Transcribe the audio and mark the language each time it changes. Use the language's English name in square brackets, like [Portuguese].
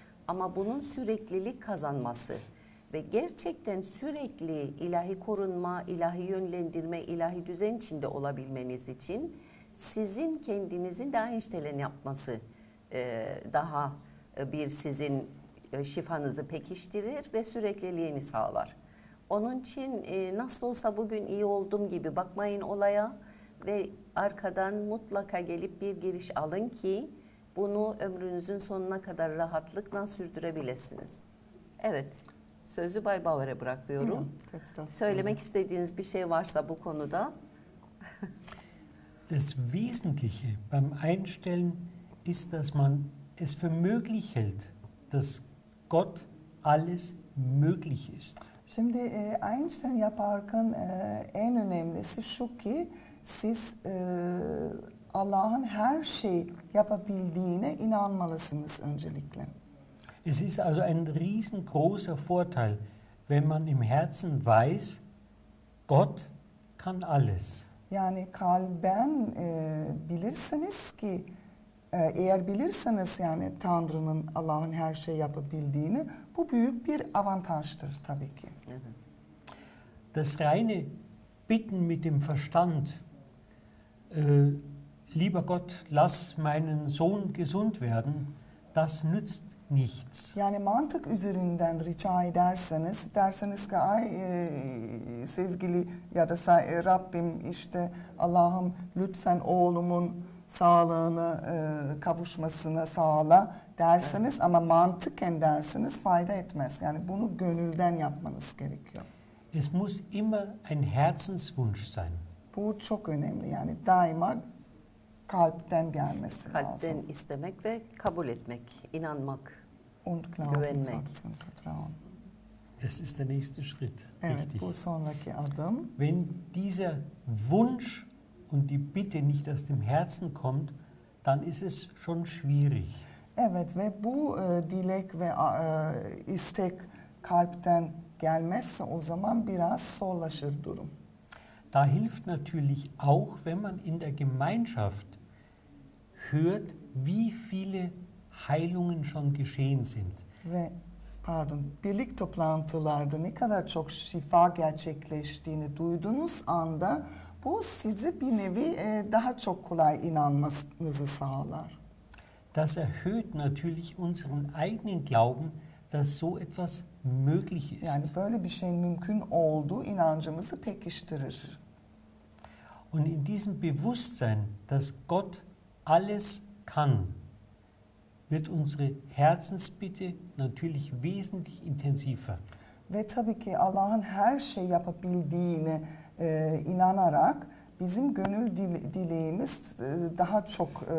[Turkish] Ama bunun süreklilik kazanması ve gerçekten sürekli ilahi korunma, ilahi yönlendirme, ilahi düzen içinde olabilmeniz için sizin kendinizin de Einstein yapması daha bir sizin şifanızı pekiştirir ve sürekliliğini sağlar. Onun için nasıl olsa bugün iyi oldum gibi bakmayın olaya ve arkadan mutlaka gelip bir giriş alın ki bunu ömrünüzün sonuna kadar rahatlıkla sürdürebilirsiniz. Evet, sözü Bay Bauer'e bırakıyorum. Söylemek istediğiniz bir şey varsa bu konuda. [German] Das Wesentliche beim Einstellen ist, dass man es für möglich hält, dass Gott alles möglich ist. [Turkish] Şimdi Einstein yaparken en önemlisi şu ki siz Allah'ın her şeyi yapabildiğine inanmalısınız öncelikle. [German] Es ist also ein riesengroßer Vorteil, wenn man im Herzen weiß, Gott kann alles. [Turkish] Yani kalben bilirsiniz ki eğer bilirseniz yani Tanrı'nın Allah'ın her şeyi yapabildiğini bu büyük bir avantajdır tabii ki. [German] Das reine bitten mit dem Verstand lieber Gott lass meinen Sohn gesund werden das nützt nichts. [Turkish] Yani mantık üzerinden rica ederseniz derseniz ki ay sevgili ya da Rabbim işte Allah'ım lütfen oğlumun sağlığını kavuşmasını sağla derseniz ama mantıken derseniz fayda etmez. Yani bunu gönülden yapmanız gerekiyor. [German] Es muss immer ein Herzenswunsch sein. [Turkish] Bu çok önemli. Yani daima kalpten gelmesi lazım. Kalpten istemek ve kabul etmek, inanmak, [German] und glauben, [Turkish] güvenmek. [German] Sagt zum Vertrauen. Das ist der nächste Schritt. [Turkish] Evet, bu sonraki adım. [German] Wenn dieser Wunsch und die Bitte nicht aus dem Herzen kommt, dann ist es schon schwierig. [Turkish] Evet ve bu dilek ve istek kalpten gelmezse o zaman biraz zorlaşır durum. [German] Da hilft natürlich auch, wenn man in der Gemeinschaft hört, wie viele Heilungen schon geschehen sind. [Turkish] Ve pardon, birlik toplantılarda ne kadar çok şifa gerçekleştiğini duyduğunuz anda bu sizi bir nevi daha çok kolay inanmanızı sağlar. [German] Das erhöht natürlich unseren eigenen Glauben, dass so etwas möglich ist. [Turkish] Yani böyle bir şeyin mümkün olduğu inancımızı pekiştirir. [German] Und in diesem Bewusstsein, dass Gott alles kann, wird unsere Herzensbitte natürlich wesentlich intensiver. [Turkish] Ve tabii ki Allah'ın her şeyi yapabildiğine inanarak bizim gönül dileğimiz daha çok